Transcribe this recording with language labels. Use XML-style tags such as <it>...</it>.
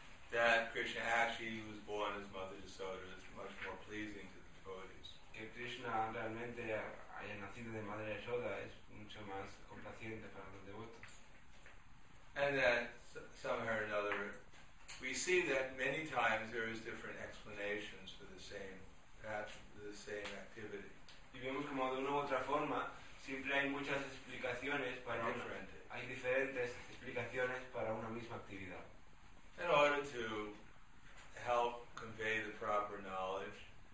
<en>That Krishna actually was born as Mother Yasoda is much more pleasing to the devotees.</en> <es>Que Krishna realmente haya nacido de Madre Yasoda es mucho más complaciente para los devotos.</es> <en>And that somehow or another, we see that many times there is different explanations for the same activity.</en> <es>Y vemos como de una u otra forma siempre hay muchas explicaciones para hay diferentes explicaciones para una misma actividad.</es> <en>In order to help convey the proper knowledge,</en>